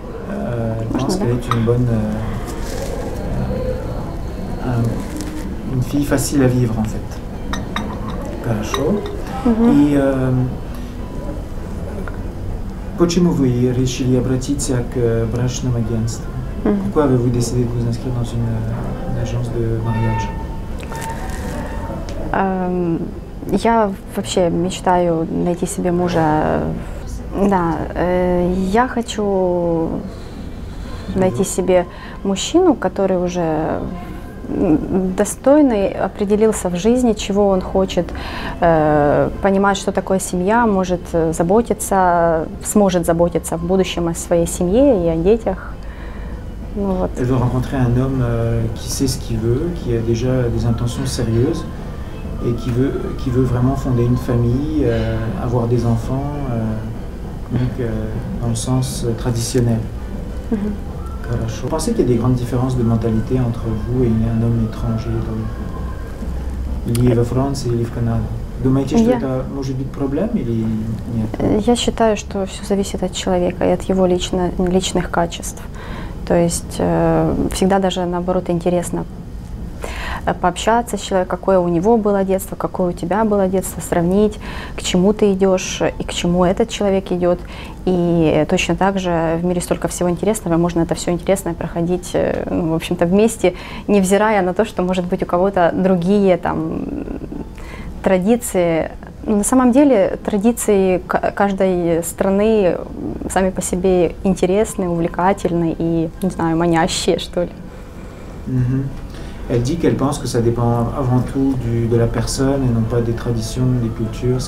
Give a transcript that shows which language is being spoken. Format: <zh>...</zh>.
<fr>Je pense qu'elle est une bonne, une fille facile à vivre en fait.</fr> <ru>Хорошо. И почему вы решили обратиться к брачному агентству?</ru> <fr>Pourquoi avez-vous décidé de vous inscrire dans une agence de mariage?</fr> <ru>Я вообще мечтаю найти себе мужа. Да, я хочу найти себе мужчину, который уже достойный, определился в жизни, чего он хочет, понимает, что такое семья, может заботиться, сможет заботиться в будущем о своей семье и о детях. Вот.</ru> <fr>Elle veut rencontrer un homme qui sait ce qu'il veut, qui a déjà des intentions sérieuses et qui veut vraiment fonder une famille, avoir des enfants, donc dans le sens traditionnel.</fr> <ru>Хорошо.</ru> <fr>Pensez qu'il y a des grandes différences de mentalité entre vous et un homme étranger dans le</fr> <ru>в Франции или в Канаде? Думаете, что это может быть проблема или нет? Я считаю, что все зависит от человека и от его личных качеств. То есть всегда даже наоборот интересно пообщаться с человеком, какое у него было детство, какое у тебя было детство, сравнить, к чему ты идешь и к чему этот человек идет. И точно так же в мире столько всего интересного, можно это все интересное проходить, ну, в общем-то, вместе, невзирая на то, что, может быть, у кого-то другие там традиции. Ну, на самом деле традиции каждой страны сами по себе интересны, увлекательны и, не знаю, манящие, что ли.</ru> <fr>Elle dit qu'elle pense que ça dépend avant tout de la personne et non pas des traditions, des cultures.</fr>